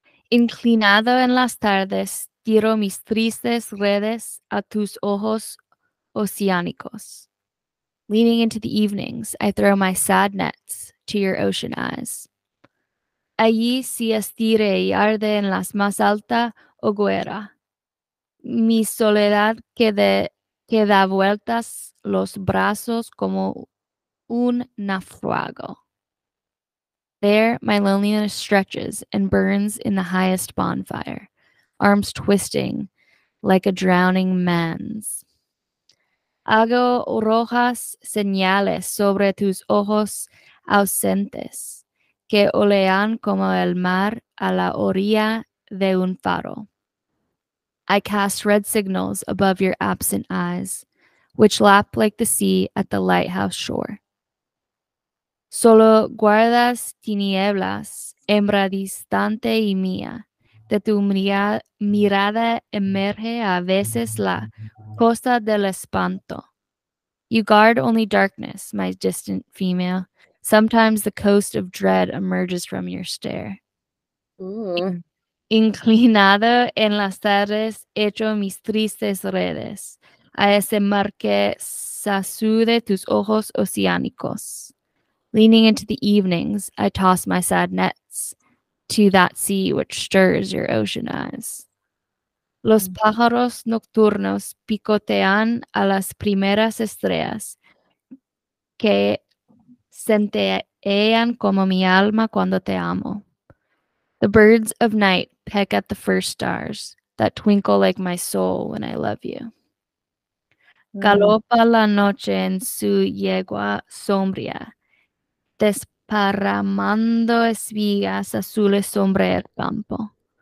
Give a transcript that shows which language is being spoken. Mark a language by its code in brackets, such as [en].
[es] Inclinado en las tardes, tiro mis tristes redes a tus ojos oceánicos. [en] Leaning into the evenings, I throw my sad nets to your ocean eyes. [es] Allí si estire y arde en las más alta hoguera. Mi soledad que da vueltas los brazos como un naufrago. [en] There, my loneliness stretches and burns in the highest bonfire, arms twisting like a drowning man's. [es] Hago rojas señales sobre tus ojos ausentes que olean como el mar a la orilla de un faro. [en] I cast red signals above your absent eyes, which lap like the sea at the lighthouse shore. [es] Solo guardas tinieblas, hembra distante y mía. De tu mirada emerge a veces la costa del espanto. [en] You guard only darkness, my distant female. Sometimes the coast of dread emerges from your stare. [es] Inclinado en las tardes, echo mis tristes redes a ese mar que sacude tus ojos oceánicos. [en] Leaning into the evenings, I toss my sad nets to that sea which stirs your ocean eyes. [es] Los pájaros nocturnos picotean a las primeras estrellas que centellean como mi alma cuando te amo. [en] The birds of night peck at the first stars that twinkle like my soul when I love you. [es] Galopa la noche en su yegua sombría, desparramando espigas azules sobre el campo.